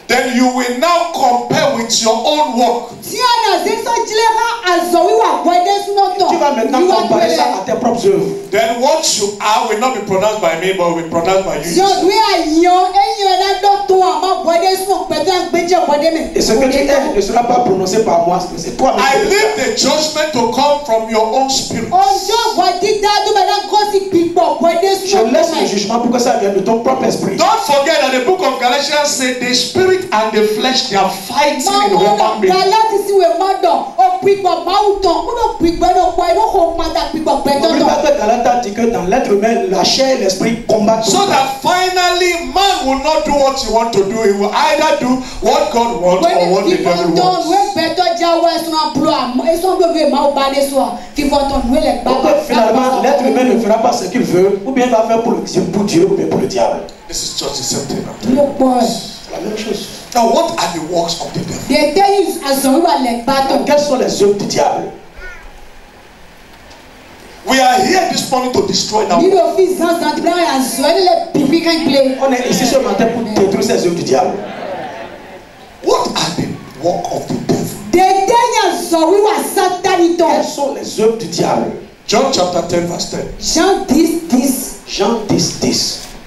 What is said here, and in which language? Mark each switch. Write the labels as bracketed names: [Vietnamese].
[English] Then you will now compare with your own work. [French] Tu vas maintenant comparer ça à tes propres œuvres. [English] Then what you are will not be pronounced by me, but will be pronounced by you. [French] Et ce que tu es ne sera pas prononcé par moi, c'est toi. [English] I leave the judgment to come from your own spirit. [French] Je laisse le jugement pour que ça vienne de ton propre esprit. [English] Don't forget that the book of Galatians said the spirit and the flesh they are fighting in the human being. [French] N'oublie pas que Galatians dit que dans l'être humain la chair et l'esprit combattent. [English] So that finally man will not do what he wants to do. He will either do what God wants or what the devil wants. [French] Finalement, l'être humain ne fera pas ce qu'il veut, ou bien il va faire pour Dieu ou bien pour le diable. [English] This is just the same thing. [French] C'est la même chose. [English] Now, what are the works of the devil? [French] Quelles sont les œuvres du diable? [English] We are here this morning to destroy that. [French] On est ici ce matin pour détruire ces œuvres du diable. [English] What are the works of the devil? [French] Quelles sont les œuvres du diable? [English] John chapter 10 verse 10. [French] Jean 10:10.